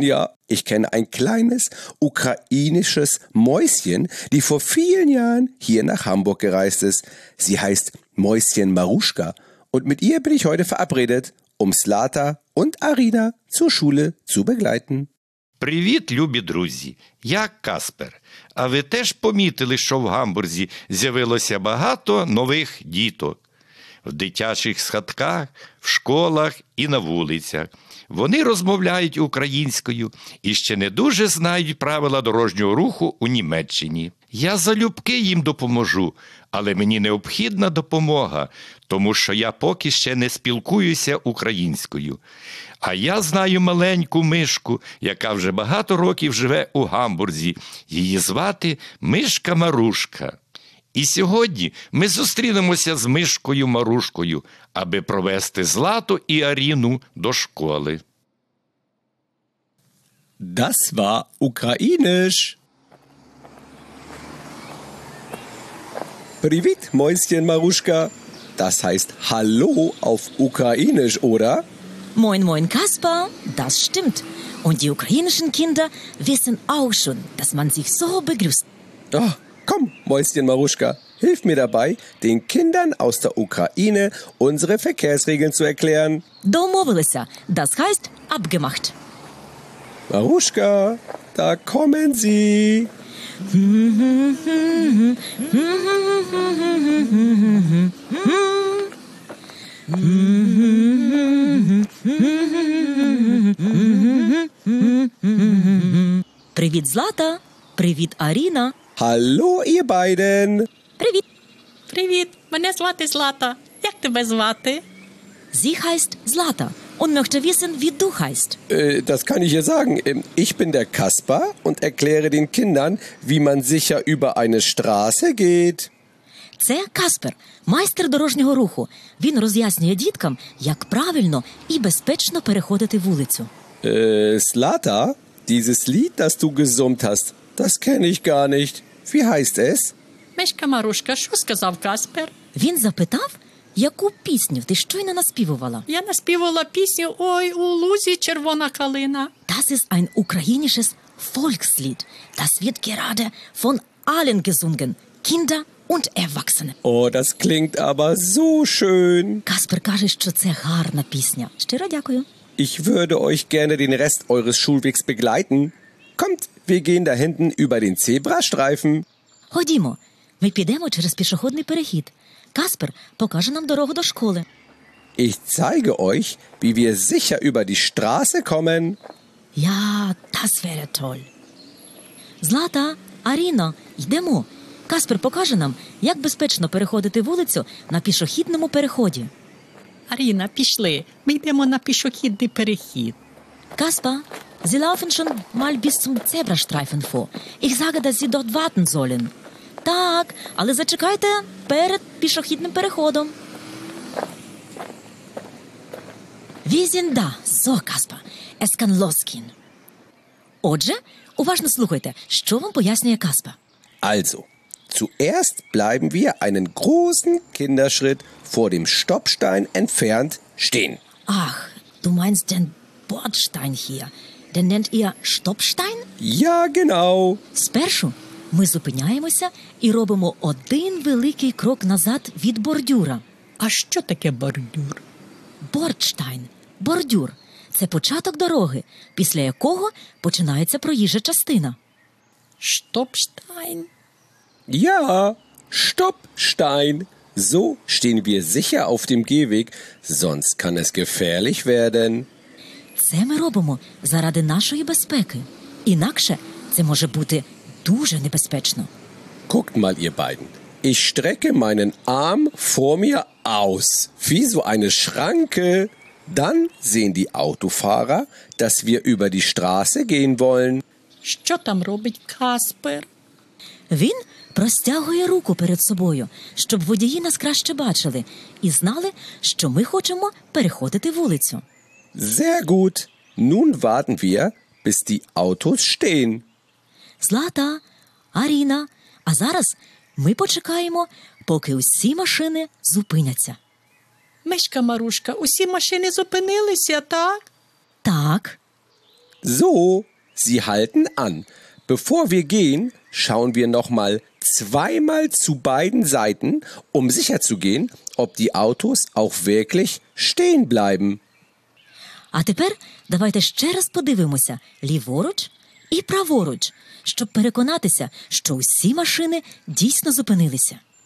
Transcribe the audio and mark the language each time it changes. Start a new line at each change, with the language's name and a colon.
German: Ja, ich kenne ein kleines ukrainisches Mäuschen, die vor vielen Jahren hier nach Hamburg gereist ist. Sie heißt Mäuschen Maruschka und mit ihr bin ich heute verabredet, um Slata und Arina zur Schule zu begleiten.
Ukrainian: Привіт, любі друзі! Я Каспер. А ви теж помітили, що в Гамбурзі з'явилося багато нових діток? В дитячих схатках, в школах і на вулицях. Вони розмовляють українською і ще не дуже знають правила дорожнього руху у Німеччині. Я залюбки їм допоможу, але мені необхідна допомога, тому що я поки ще не спілкуюся українською. А я знаю маленьку мишку, яка вже багато років живе у Гамбурзі. Її звати Мишка Марушка. І сьогодні ми зустрінемося з Мишкою Марушкою, аби провести Злату і Аріну до школи.
German: Das war ukrainisch.
Ukrainian: Привіт, Мойсьєн Марушка.
German: Das heißt hallo auf ukrainisch, oder? Moin, moin, Kasper. Das stimmt. Und die ukrainischen Kinder wissen auch schon, dass man sich so begrüßt. Ach. Komm, Mäuschen Maruschka, hilf mir dabei, den Kindern aus der Ukraine unsere Verkehrsregeln zu erklären.
Ukrainian: Домовилися,
German: das heißt abgemacht. Maruschka, da kommen sie.
Ukrainian: Привіт, Злата. Привіт, Аріна.
German: Hallo, ihr beiden!
Ukrainian: Привіт! Привіт! Мене звати Злата. Як тебе звати?
German: Sie heißt Злата und möchte wissen, wie du heißt. Das kann ich ihr sagen. Ich bin der Kasper und erkläre den Kindern, wie man sicher über eine Straße geht.
Ukrainian: Це Каспер, майстер дорожнього руху. Він роз'яснює діткам, як правильно і безпечно переходити вулицю.
German: Злата, dieses Lied, das du gesummt hast, das kenne ich gar nicht. Wie heißt es?
Ukrainian: Мишка Марушка, що сказав Каспер? Він запитав, яку пісню ти щойно наспівувала? Я наспівувала пісню «Ой, у лузі червона калина».
German: Das ist ein ukrainisches Volkslied. Das wird gerade von allen gesungen. Kinder und Erwachsene. Oh, das klingt aber so schön.
Ukrainian: Каспер каже, що це гарна пісня. Щиро дякую.
German: Ich würde euch gerne den Rest eures Schulwegs begleiten. Kommt, wir gehen da hinten über den Zebrastreifen.
Ukrainian: Ходімо. Ми підемо через пішохідний перехід. Каспер покаже нам дорогу до школи.
German: Ich zeige euch, wie wir sicher über die Straße kommen. Ja, das wäre toll. Злата, Аріна,
Ukrainian: йдемо. Каспер покаже нам, як безпечно переходити вулицю на пішохідному переході. Аріна, пішли. Ми йдемо на пішохідний перехід.
German: Каспер, Sie laufen schon mal bis zum Zebrastreifen vor. Ich sage, dass Sie dort warten sollen.
Ukrainian: Так, але зачекайте перед пішохідним переходом.
German: Wir sind da. So, Kasper, es kann losgehen.
Ukrainian: Отже, уважно слухайте, що вам пояснює Kasper.
German: Also, zuerst bleiben wir einen großen Kinderschritt vor dem Stoppstein entfernt stehen. Ach, du meinst den Bordstein hier. Den nennt ihr Stoppstein? Ja, genau.
Ukrainian: Спершу ми зупиняємося і робимо один великий крок назад від бордюра. А що таке бордюр? Бордштайн. Бордюр. Це початок дороги, після якого починається проїжджа частина. Штопштайн.
German: Ja, Stoppstein. So stehen wir sicher auf dem Gehweg, sonst kann es gefährlich werden.
Ukrainian: Це ми робимо заради нашої безпеки. Інакше це може бути дуже небезпечно.
German: Guckt mal, ihr beiden. Ich strecke meinen Arm vor mir aus, wie so eine Schranke. Dann sehen die Autofahrer, dass wir über die Straße gehen wollen.
Ukrainian: Що там робить Каспер? Він простягує руку перед собою, щоб водії нас краще бачили і знали, що ми хочемо переходити вулицю.
German: Sehr gut. Nun warten wir, bis die Autos stehen.
Ukrainian: Злата, Аріна, а зараз ми почекаємо, поки усі машини зупиняться. Мишка Марушка, усі машини зупинилися, так? Так.
German: So, sie halten an. Bevor wir gehen, schauen wir nochmal zweimal zu beiden Seiten, um sicher zu gehen, ob die Autos auch wirklich stehen bleiben.
Ukrainian: А тепер давайте ще раз подивимося ліворуч і праворуч, щоб переконатися, що усі машини дійсно зупинилися.